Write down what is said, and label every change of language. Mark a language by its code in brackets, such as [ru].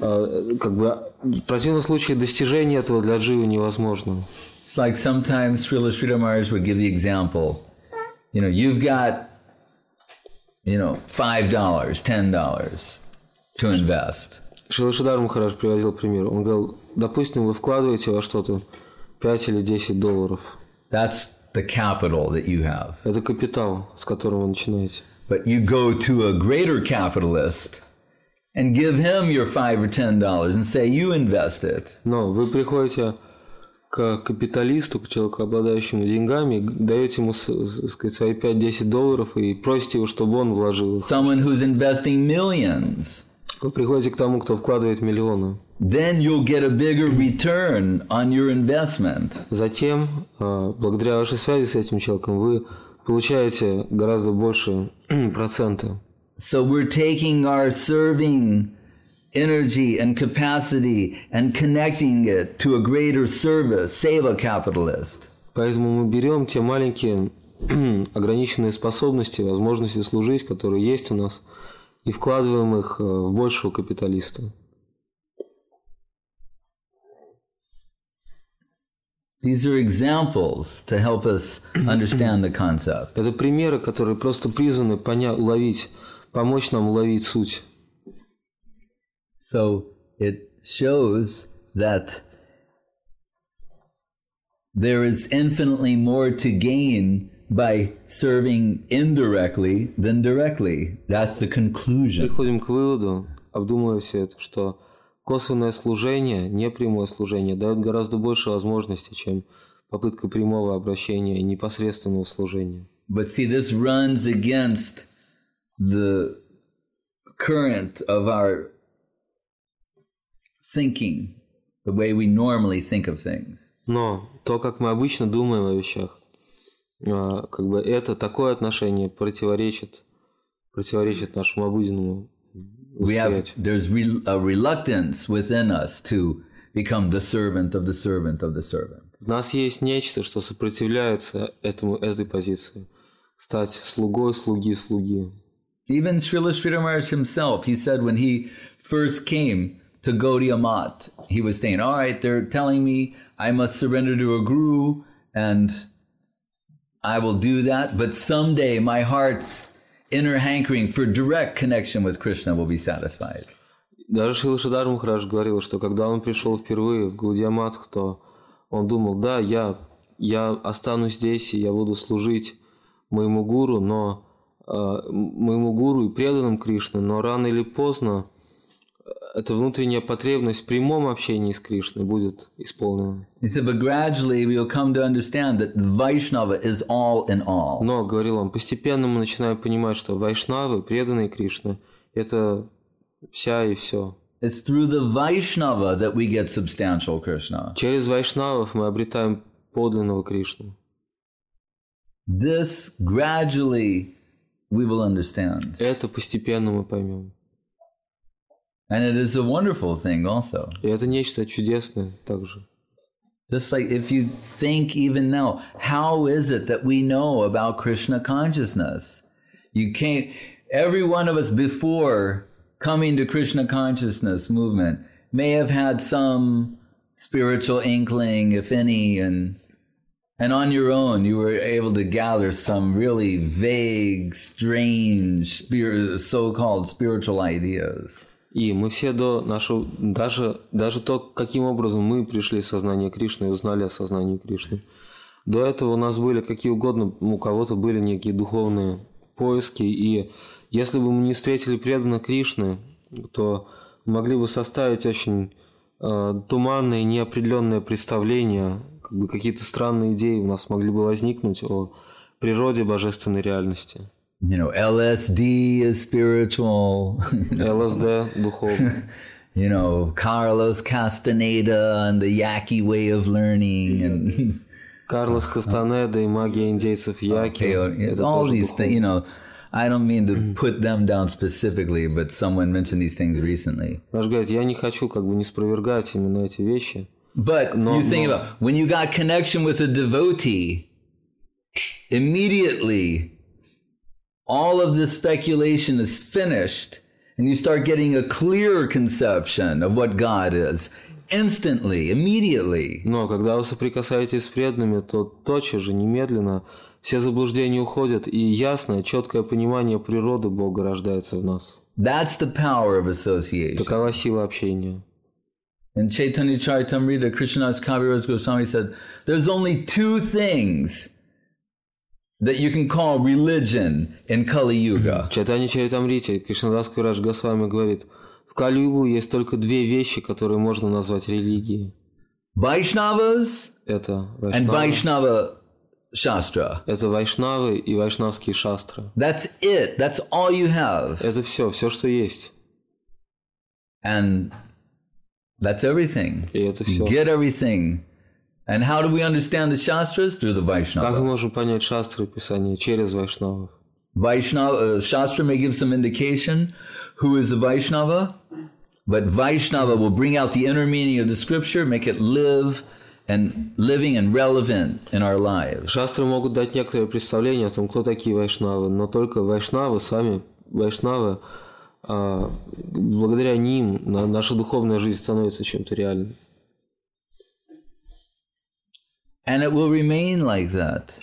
[ru] В противном случае достижение этого для дживы невозможно. [en] It's like sometimes Srila Sridhar Maharaj would give the example. You know, you've got, you know, $5, $10 to invest. [ru] Srila Sridhar Maharaj приводил пример. Он говорил, допустим, вы вкладываете во что-то $5 or $10. [en] That's the capital that you have. [ru] Это капитал, с которого вы начинаете. [en] But you go to a greater capitalist, And give him your $5 or $10 and say you invest it. [ru] No, вы приходите к капиталисту, к человеку, обладающему деньгами, даете ему, сказать, свои $5-$10 и просите его, чтобы он вложил. [en] Someone who's investing millions. [ru] Вы приходите к тому, кто вкладывает миллионы. [en] Then you'll get a bigger return on your investment. [ru] Затем, благодаря вашей связи с этим человеком, вы получаете гораздо больше процента. [en] So we're taking our serving energy and capacity and connecting it to a greater service, save a capitalist. [ru] Поэтому мы берем те маленькие ограниченные способности, возможности служить, которые есть у нас, и вкладываем их в большего капиталиста. [en] These are examples to help us understand the concept. [ru] Это примеры, которые просто призваны понять, уловить, помочь нам уловить суть. [en] So it shows that there is infinitely more to gain by serving indirectly than directly. That's the conclusion. [ru] Приходим к выводу, обдумывая все это, что косвенное служение, непрямое служение, дает гораздо больше возможностей, чем попытка прямого обращения и непосредственного служения. [en] But see, this runs against the current of our thinking, the way we normally think of things. [ru] Но то, как мы обычно думаем о вещах, как бы это такое отношение противоречит нашему обыденному восприятию. [en] There's a reluctance within us to become the servant of the servant of the servant. [ru] У нас есть нечто, что сопротивляется этой позиции, стать слугой слуги слуги. [en] Even Srila Sridhar himself, he said when he first came to Gaudiya Math, he was saying, all right, they're telling me I must surrender to a guru and I will do that, but someday my heart's inner hankering for direct connection with Krishna will be satisfied. [ru] Даже Шрила Шридхар Махарадж говорил, что когда он пришел впервые в Гаудия Матх, то он думал, да, я останусь здесь и я буду служить моему гуру, но моему гуру и преданным Кришне, но рано или поздно эта внутренняя потребность в прямом общении с Кришной будет исполнена. [en] He said, but gradually we will come to understand that Vaishnava is all in all. [ru] Но, говорил он, постепенно мы начинаем понимать, что Вайшнавы, преданные Кришне, это вся и все. [en] It's through the Vaishnava that we get substantial Krishna. [ru] Через Вайшнавов мы обретаем подлинного Кришну. [en] This gradually we will understand. [ru] Это постепенно мы поймем. [en] And it is a wonderful thing also. [ru] И это нечто чудесное также. [en] Just like if you think even now, how is it that we know about Krishna consciousness? Every one of us before coming to Krishna consciousness movement may have had some spiritual inkling, if any, and on your own you were able to gather some really vague, strange, so-called spiritual ideas. [ru] И мы все до нашего, даже то, каким образом мы пришли в сознание Кришны и узнали о сознании Кришны. До этого у нас были какие угодно, у кого-то были некие духовные поиски. И если бы мы не встретили преданных Кришны, то могли бы составить очень туманное, неопределенное представление, как бы какие-то странные идеи у нас могли бы возникнуть о природе божественной реальности. [en] You know, LSD is spiritual. [ru] LSD, духовный. [en] You know, Carlos Castaneda and the Yaki way of learning. And [ru] Carlos Castaneda и магия индейцев Yaki. [en] All these things, you know, I don't mean to put them down specifically, but someone mentioned these things recently. [ru] Я не хочу как бы не спровергать именно эти вещи. [en] But you think about, when you got connection with a devotee, immediately all of this speculation is finished, and you start getting a clear conception of what God is instantly, immediately. [ru] Но когда вы соприкасаетесь с преданными, то тотчас же, немедленно, все заблуждения уходят, и ясное, четкое понимание природы Бога рождается в нас. [en] That's the power of association. [ru] Такова сила общения. [en] In Chaitanya Charitamrita, Krishnadas Kaviraj Goswami said, "There's only two things that you can call religion in Kali Yuga." [ru] Чайтанья Чаритамрита, Кришнадас Кавираджа Госвами говорит, В Кали-Югу есть только две вещи, которые можно назвать религией. Вайшнавас [en] and Vaishnava Shastra. [ru] Это вайшнавы и вайшнавские шастры. [en] That's it. That's all you have. [ru] Это все, все, что есть. [en] And that's everything. [ru] И это все. [en] Get everything. And how do we understand the shastras? Through the Vaishnava. [ru] Как мы можем понять шастры писания через вайшнавов? [en] Shastra may give some indication who is a Vaishnava, but Vaishnava will bring out the inner meaning of the scripture, make it live and living and relevant in our lives. [ru] Шастры могут дать некоторое представление о том, кто такие вайшнавы, но только вайшнавы сами, вайшнавы, благодаря ним наша духовная жизнь становится чем-то реальным. [en] And it will remain like that.